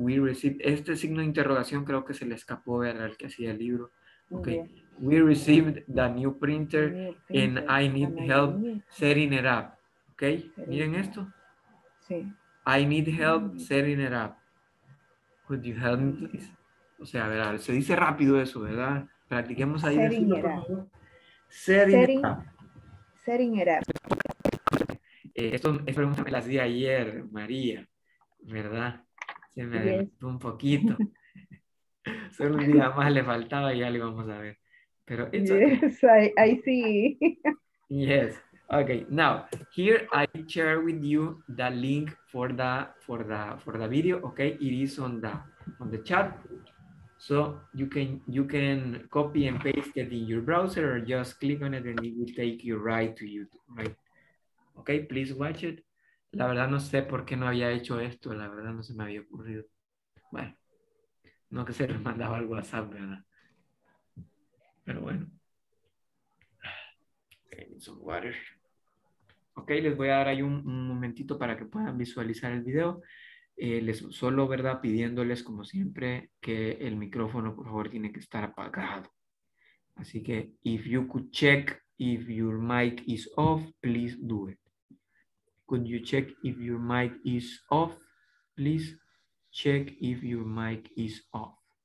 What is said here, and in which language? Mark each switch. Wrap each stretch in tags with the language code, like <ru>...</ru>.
<en>We received,</en> <es>este signo de interrogación creo que se le escapó al que hacía el libro, okay?</es> <en>Yeah. We received the new printer, and I need help setting it up, okay?</en> <es>Miren esto. Sí.</es> <en>I need help setting it up. Could you help me, please?</en> <es>O sea, a ver, se dice rápido eso, ¿verdad? Practiquemos ahí.</es> <en>Setting it up. Setting it up.</en> <es>Esto pregunta me las di ayer, María, ¿verdad? Se me adelantó un poquito. Solo un día más le faltaba y ya lo vamos a ver. Pero</es> <en>it's yes, okay. I see. Yes, okay. Now, here I share with you the link for the video, okay? It is on the chat. So you can copy and paste it in your browser or just click on it and it will take you right to YouTube, right? Ok, please watch it.</en> <es>La verdad no sé por qué no había hecho esto. La verdad no se me había ocurrido. Bueno, no que se les mandaba al WhatsApp, ¿verdad? Pero bueno.</es> <en>Okay, some water.</en> <es>Ok, les voy a dar ahí un momentito para que puedan visualizar el video. Solo, ¿verdad? Pidiéndoles, como siempre, que el micrófono, por favor, tiene que estar apagado. Así que,</es> <en>if you could check if your mic is off, please do it. Could you check if your mic is off? Please check if your mic is off.</en>